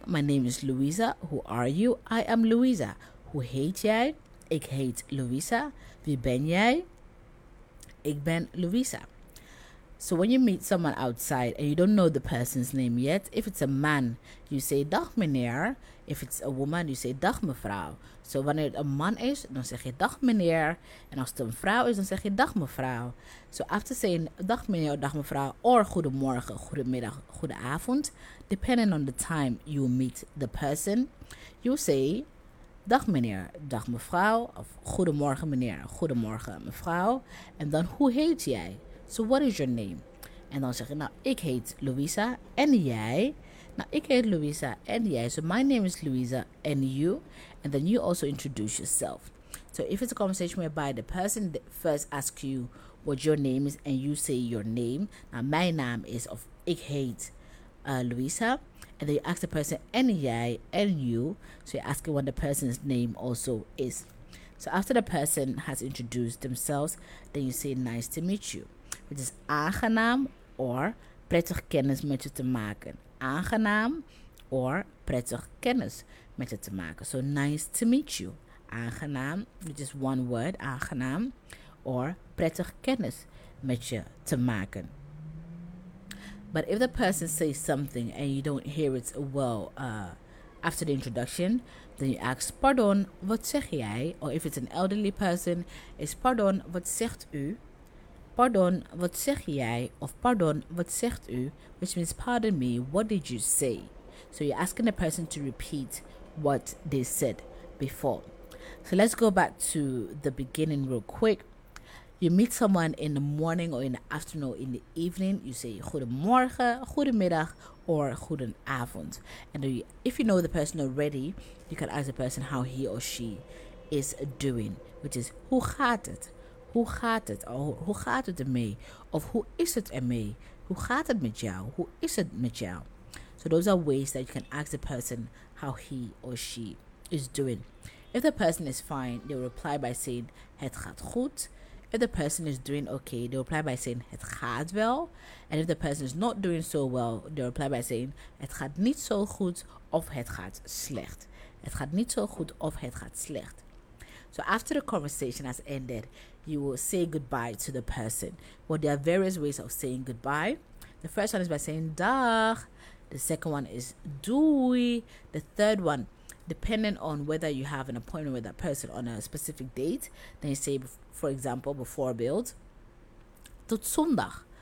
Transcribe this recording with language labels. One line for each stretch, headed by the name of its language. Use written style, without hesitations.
English: My name is Louisa. Who are you? I am Louisa.
Dutch: Hoe heet jij? Ik heet Louisa. Wie ben jij? Ik ben Louisa.
English: So when you meet someone outside and you don't know the person's name yet, if it's a man, you say
Dutch: dag meneer.
English: If it's a woman, you say
Dutch: dag mevrouw. So wanneer het een man is, dan zeg je dag meneer. En als het een vrouw is, dan zeg je dag mevrouw.
English: So after saying
Dutch: dag meneer, dag mevrouw,
English: or goedemorgen, goedemiddag, goedenavond, depending on the time you meet the person, you say
Dutch: dag meneer, dag mevrouw, of goedemorgen meneer, goedemorgen mevrouw. En dan hoe heet jij?
English: So what is your name?
Dutch: En dan zeg je, nou, ik heet Louisa en jij. Nou, ik heet Louisa en jij.
English: So my name is Louisa and you. And then you also introduce yourself. So if it's a conversation whereby the person first asks you what your name is and you say your name. Now, my name is of
Dutch: ik heet Louisa.
English: And then you ask the person
Dutch: en jij
English: and you. So you're asking what the person's name also is. So after the person has introduced themselves, then you say nice to meet you. Which is
Dutch: aangenaam or prettig kennis met je te maken. Aangenaam or prettig kennis met je te maken.
English: So nice to meet you. Aangenaam, which is one word, aangenaam.
Dutch: Or prettig kennis met je te maken.
English: But if the person says something and you don't hear it well after the introduction, then you ask,
Dutch: pardon, wat zeg jij?
English: Or if it's an elderly person, is
Dutch: pardon, wat zegt u? Pardon, wat zeg jij? Of pardon, wat zegt u?
English: Which means, pardon me, what did you say? So you're asking the person to repeat what they said before. So let's go back to the beginning real quick. You meet someone in the morning or in the afternoon or in the evening. You say, goedemorgen, goedemiddag, or goedenavond. And if you know the person already, you can ask the person how he or she is doing. Which is,
Dutch: hoe gaat het? Hoe gaat het? Oh, hoe gaat het ermee? Of hoe is het ermee? Hoe gaat het met jou? Hoe is het met jou?
English: So those are ways that you can ask the person how he or she is doing. If the person is fine, they'll reply by saying
Dutch: het gaat goed.
English: If the person is doing okay, they'll reply by saying
Dutch: het gaat wel.
English: And if the person is not doing so well, they'll reply by saying
Dutch: het gaat niet zo goed of het gaat slecht. Het gaat niet zo goed of het gaat slecht.
English: So after the conversation has ended, you will say goodbye to the person. Well, there are various ways of saying goodbye. The first one is by saying dag. The second one is doei. The third one, depending on whether you have an appointment with that person on a specific date, then you say, for example, before build,
Dutch: tot zondag.